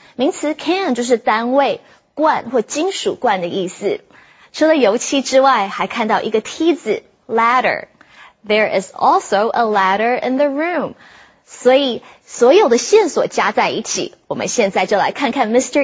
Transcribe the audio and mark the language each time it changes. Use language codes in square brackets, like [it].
[zh] 名词 can 就是单位罐或金属罐的意思。除了油漆之外还看到一个梯子 ,ladder. [en] There is also a ladder in the room. [zh] 所以所有的线索加在一起，我们现在就来看看 Mr.